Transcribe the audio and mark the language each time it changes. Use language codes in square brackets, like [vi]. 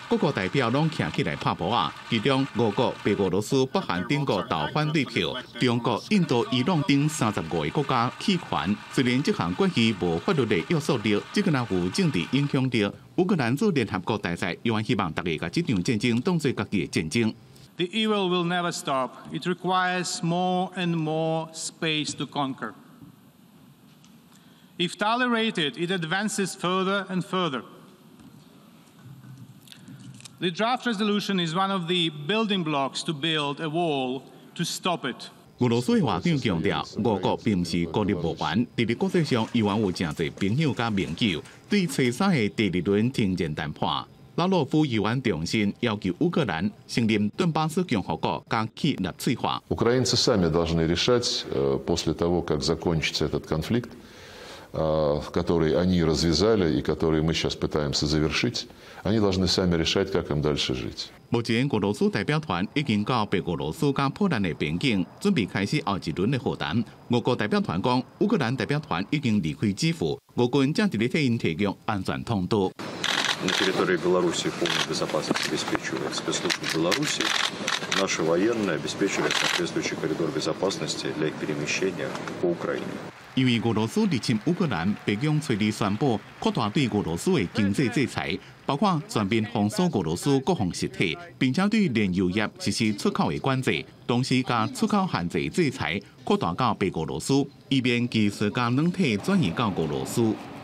[nan] 各国代表拢站起来拍波啊！其中五国、被俄罗斯、北韩等国投反对票，中国、印度、伊朗等35个国家弃权。虽然这项决议无法律的约束力，只可能有政治影响力。乌克兰驻联合国大使永远希望大家把这场战争当作自己的战争。 [en] The evil will never stop. It requires more and more space to conquer. If tolerated, it advances further and further. The draft resolution is one of the building blocks to build a wall to stop it. [nan] 俄罗斯的外长强调，俄国并不是孤立无援，在国际上依然有真侪朋友甲盟友。对初三的第二轮停战谈判，拉洛夫依然重申要求乌克兰承认顿巴斯共和国加起纳粹化。 [ru] Украинцы сами должны решать после того, как закончится этот конфликт, который они развязали и который мы сейчас пытаемся завершить, они должны сами решать, как им дальше жить. [nan] 目前，俄罗斯代表团已经到白俄罗斯和波兰的边境，准备开始后一轮的会谈。俄国代表团讲，乌克兰代表团已经离开基辅，俄军正在替因提供安全通道。 [ru] На территории Беларуси полная безопасность обеспечивает спецслужбы Беларуси. Наши военные обеспечивают соответствующий коридор безопасности для их перемещения по Украине. [nan] 因为俄罗斯入侵乌克兰，北京随即宣布扩大对俄罗斯的经济制裁，包括全面封锁俄罗斯各项实体，并且对炼油业实施出口的管制，同时把出口限制制裁扩大到白俄罗斯，以便技术和软体转移到俄罗斯。